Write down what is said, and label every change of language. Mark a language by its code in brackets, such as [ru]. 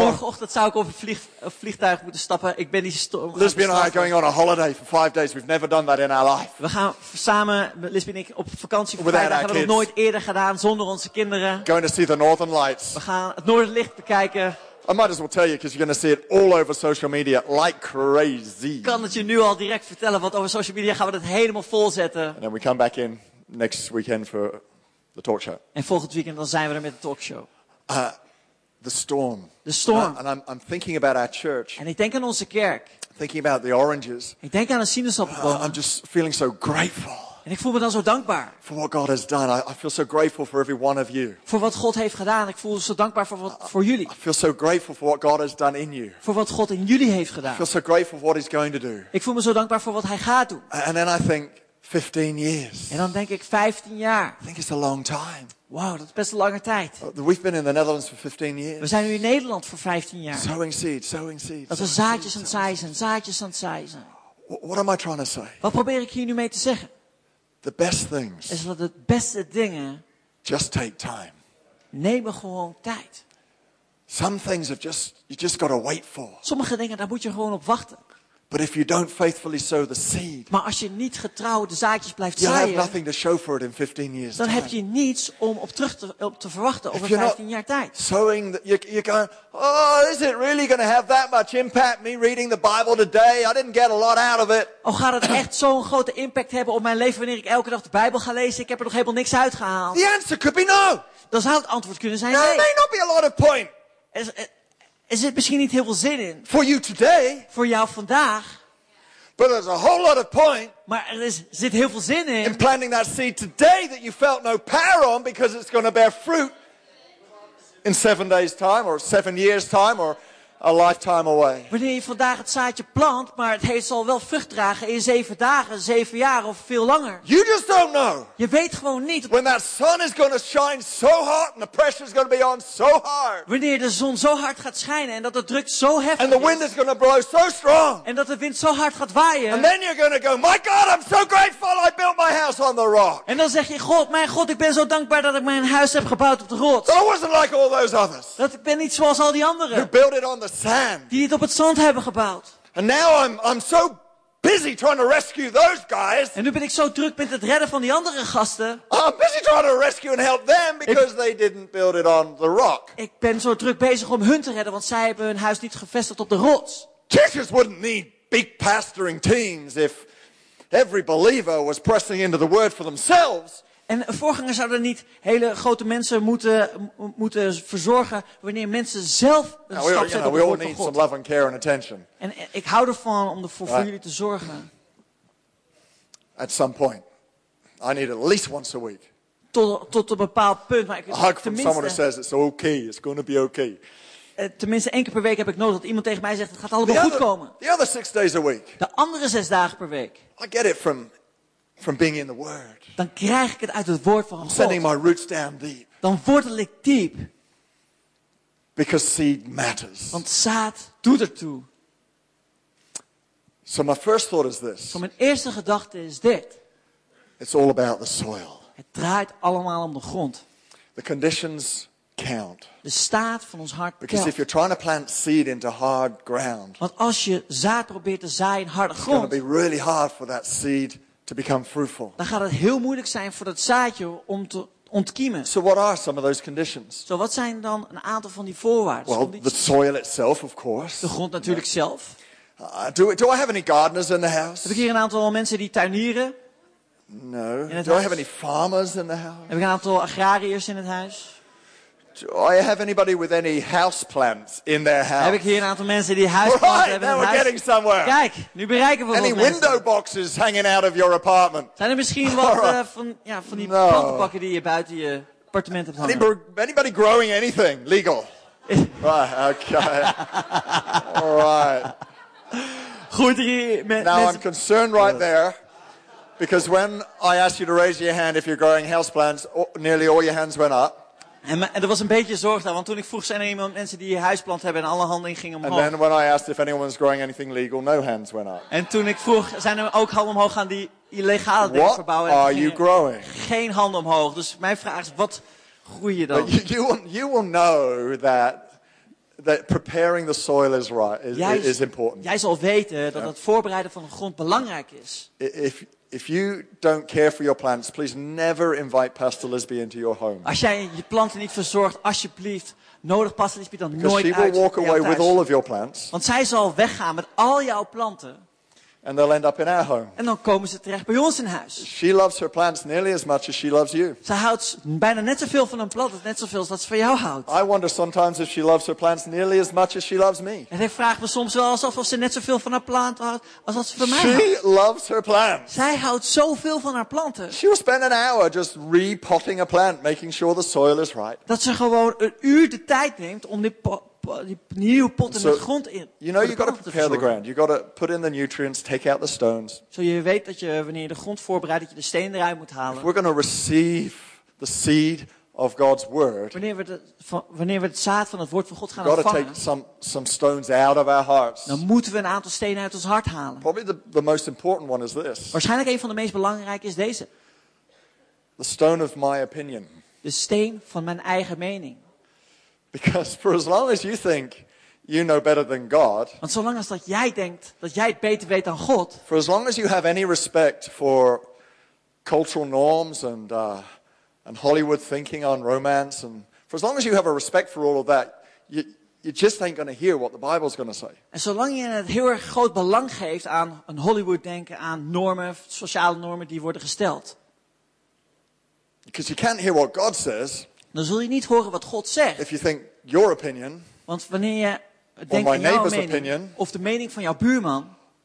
[nl] Morgenochtend zou ik over een vliegtuig moeten stappen. Ik ben die storm. [en] Lisbeth and I are going on a holiday for 5 days. We've never done that in our life. [nl] We gaan samen, Lisbeth en ik, op vakantie voor 5 dagen. We hebben het nooit eerder gedaan zonder onze kinderen. [en] Going to see the Northern Lights. [nl] We gaan het Noordlicht bekijken. [en] I might as well tell you, because you're going to see it all over social media like crazy. [nl] Ik kan het je nu al direct vertellen, want over social media gaan we het helemaal volzetten. [en] And then we come back in next weekend for the talk show. [nl] En volgend weekend dan zijn we er met de talkshow. [en] The storm. And I'm thinking about our church. [nl] En ik denk aan onze kerk. [en] Thinking about the oranges. [nl] Ik denk aan de sinaasappelbomen. [en] I'm just feeling so grateful. [nl] En ik voel me dan zo dankbaar. [en] For what God has done. I feel so grateful for every one of you. [nl] Voor wat God heeft gedaan. Ik voel me zo dankbaar voor jullie. [en] I feel so grateful for what God has done in you. [nl] Voor wat God in jullie heeft gedaan. [en] I feel so grateful for what he's going to do. [nl] Ik voel me zo dankbaar voor wat hij gaat doen. [en] And then I think, 15 years. [nl] En dan denk ik 15 jaar. [en] I think it's a long time. [nl] Wow, dat is best een lange tijd. [en] We've been in the Netherlands for 15 years. [nl] We zijn nu in Nederland voor 15 jaar. [en] Sowing seeds, sowing seeds. [nl] Dat we zaadjes aan het zaaien, zaadjes aan het zaaien. [en] What am I trying to say? [nl] Wat probeer ik hier nu mee te zeggen? [en] The best things. [nl] Is dat de beste dingen? [en] Just take time. [nl] Neem gewoon tijd. [en] Some things have you just got to wait for. [nl] Sommige dingen daar moet je gewoon op wachten. [en] But if you don't faithfully sow the seed, [nl] maar als je niet getrouw de zaadjes blijft [en] you'll [nl] zaaien, [en] have nothing to show for it in 15 years [nl] dan Heb je niets om op terug te verwachten over 15 jaar tijd. [en] Sowing that you're going, oh, is it really going to have that much impact? Me reading the Bible today, I didn't get a lot out of it. [nl] Oh, gaat het echt zo'n grote impact hebben op mijn leven wanneer ik elke dag de Bijbel ga lezen? Ik heb er nog helemaal niks uitgehaald. [en] The answer could be no. [nl] Dan zou het antwoord kunnen zijn nee. [en] There may not be a lot of point. [nl] Er zit misschien niet heel veel zin in. [en] For you today, [nl] voor jou vandaag. [en] But there's a whole lot of point, [nl] maar er zit heel veel zin in. [en] In planting that seed today that you felt no power on because it's going to bear fruit in 7 days time or 7 years time or a lifetime away. [nl] Wanneer je vandaag het zaadje plant, maar het zal wel vrucht dragen in 7 dagen, 7 jaar of veel langer. [en] You just don't know. [nl] Je weet gewoon niet. [en] When that sun is going to shine so hot and the pressure is going to be on so hard. [nl] Wanneer de zon zo hard gaat schijnen en dat de druk zo heftig is. [en] And the wind is going to blow so strong. [nl] En dat de wind zo hard gaat waaien. [en] And then you're going to go, my God, I'm so grateful I built my house on the rock. [nl] En dan zeg je, God, mijn God, ik ben zo dankbaar dat ik mijn huis heb gebouwd op de rots. [en] But I wasn't like all those others. [nl] Dat ik ben niet zoals al die anderen. [en] Who built it on the sand. [nl] Die het op het zand hebben gebouwd. [en] And now I'm so busy trying to rescue those guys. [nl] En nu ben ik zo druk met het redden van die andere gasten. [en] I'm busy trying to rescue and help them because they didn't build it on the rock. [nl] Ik ben zo druk bezig om hun te redden, want zij hebben hun huis niet gevestigd op de rots. [en] Jesus wouldn't need big pastoring teams if every believer was pressing into the word for themselves. [nl] En voorgangers zouden niet hele grote mensen moeten verzorgen wanneer mensen zelf een stap zetten op het woord van God. [en] We all need some love and care and attention. [nl] En ik hou ervan om ervoor voor jullie te zorgen. [en] At some point, I need at least once a week. [nl] Tot een bepaald punt, maar ik [en] a hug from someone who says it's okay, it's going to be okay. [nl] Tenminste één keer per week heb ik nodig dat iemand tegen mij zegt het gaat allemaal goed komen. [en] The other 6 days a week. [nl] De andere 6 dagen per week. [en] I get it from being in the word. [nl] Dan krijg ik het uit het woord van [en] I'm [nl] God. [en] Sending my roots down deep. [nl] Dan wortel ik diep. [en] Because seed matters. [nl] Want zaad doet ertoe. [en] So my first thought is this. [nl] So mijn eerste gedachte is dit. [en] It's all about the soil. [nl] Het draait allemaal om de grond. [en] The conditions count. [nl] De staat van ons hart [en] Because [nl] telt. [en] If you're trying to plant seed into hard ground. [nl] Want als je zaad probeert te zaaien in harde grond. [en] It's going to be really hard for that seed to become fruitful. [nl] Dan gaat het heel moeilijk zijn voor dat zaadje om te ontkiemen. [en] So what are some of those conditions? [nl] So wat zijn dan een aantal van die voorwaarden? [en] Well, the soil itself, of course. [nl] De grond natuurlijk zelf. [en] Do I have any gardeners in the house? [nl] Heb ik hier een aantal mensen die tuinieren? [en] No. Do I have any farmers in the house? [nl] Heb ik een aantal agrariërs in het huis? [en] Do I have anybody with any house plants in their house? [nl] Heb ik hier een aantal mensen die huisplanten [en] right, [nl] hebben [en] now [nl] in [en] we're [nl] huis? [en] Getting somewhere. [nl] Kijk, nu bereiken we [en] any [nl] wat [en] window [nl] mensen. [en] Boxes hanging out of your apartment? [nl] Zijn er misschien wat van die [en] no. [nl] plantenpakken die je buiten je appartement hebt hangen? [en] Anybody growing anything legal? Right, okay. All right. [nl] Goed hier mensen. [en] Now I'm concerned right there. Because when I asked you to raise your hand if you're growing house plants, nearly all your hands went up. [nl] En er was een beetje zorg daar, want toen ik vroeg zijn er iemand mensen die huisplant hebben en alle handen gingen omhoog. [en] And then when I asked if anyone's growing anything legal, no hands went up. [nl] En toen ik vroeg zijn er ook handen omhoog gaan die illegale dingen [en] what [nl] verbouwen. [en] What are you growing? [nl] Geen handen omhoog. Dus mijn vraag is wat groei je dan? [en] But you will know that preparing the soil is right is important. [nl] Jij zal weten dat het voorbereiden van de grond belangrijk is. [en] If you don't care for your plants, please never invite Pastor Lisby into your home. [nl] Als jij je planten niet verzorgt, alsjeblieft, nodig Pastor Lisby dan [en] Because [nl] nooit uit. [en] Because she will walk away [nl] thuis. [en] With all of your plants. [nl] Want zij zal weggaan met al jouw planten. [en] And they'll end up in our home. [nl] En dan komen ze terecht bij ons in huis. [en] She loves her plants nearly as much as she loves you. [nl] Ze houdt bijna net zoveel van een plant, net zoveel als dat ze van jou houdt. [en] I wonder sometimes if she loves her plants nearly as much as she loves me. [nl] En ik vraag me soms wel alsof ze net zoveel van haar plant houdt als dat ze van mij [en] she [nl] houdt. [en] She loves her plants. [nl] Zij houdt zoveel van haar planten. [en] She will spend an hour just repotting a plant, making sure the soil is right. [nl] Dat ze gewoon een uur de tijd neemt om dit nieuwe potten so, met grond in. [en] You know, you've got to prepare the ground. You've got to put in the nutrients, take out the stones. [nl] So je weet dat je wanneer je de grond voorbereidt, dat je de steen eruit moet halen. [en] If we're going to receive the seed of God's word. [nl] Wanneer we het zaad van het woord van God gaan ontvangen. [en] We've got to take some stones out of our hearts. [nl] Dan moeten we een aantal stenen uit ons hart halen. [en] Probably the most important one is this. [nl] Waarschijnlijk een van de meest belangrijke is deze. [en] The stone of my opinion. [nl] De steen van mijn eigen mening. [en] Because for as long as you think you know better than God. [nl] Want zolang als dat jij denkt dat jij het beter weet dan God. [en] For as long as you have any respect for cultural norms and Hollywood thinking on romance and for as long as you have a respect for all of that, you just ain't going to hear what the Bible's going to say. [nl] En zolang je het heel erg groot belang geeft aan een Hollywood denken, aan normen, sociale normen die worden gesteld. [en] Because you can't hear what God says. [nl] Dan zul je niet horen wat God zegt. [en] If you think your opinion, [nl] want wanneer je denkt aan jouw mening, opinion, of de mening van jouw buurman,